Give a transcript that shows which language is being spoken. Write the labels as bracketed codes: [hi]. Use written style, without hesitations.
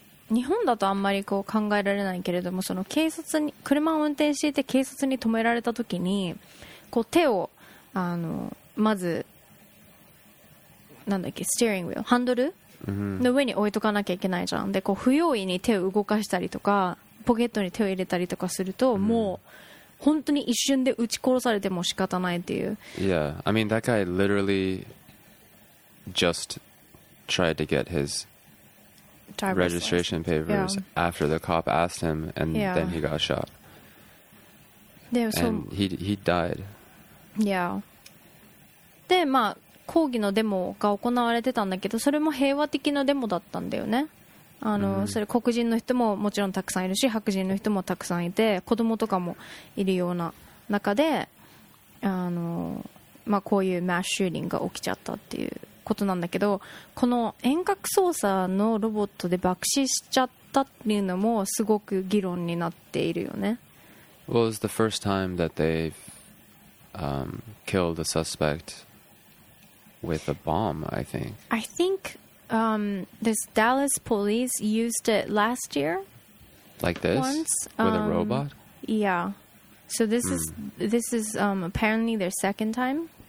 [ja] 日本だとあんまりこう考えられないけれども、その警察に車を運転していて警察に止められた時に、こう手をまずなんだっけ、ステーリングウィル、ハンドル、 mm-hmm. の上に置いとかなきゃいけないじゃん。で、こう不用意に手を動かしたりとか、ポケットに手を入れたりとかすると、mm-hmm. もう本当に一瞬で撃ち殺されても仕方ないっていう。 [en] Yeah, I mean that guy literally just tried to get his registration papers after the cop asked him and then he got shot. And he died. Yeah. [ja] で、まあ抗議のデモが行われてたんだけど、それも平和的なデモだったんだよね。それ黒人の人ももちろんたくさんいるし、白人の人もたくさんいて、子供とかもいるような中で、こういうマッシューリングが起きちゃったっていうことなんだけど、この遠隔操作のロボットで爆死しちゃったっていうのもすごく議論になっているよね。 [en] Well, it was the first time that they've killed a suspect with a bomb, I think. I thinkthis Dallas police used it last year. Like this? Once. With a robot? Yeah. So this is apparently their second time.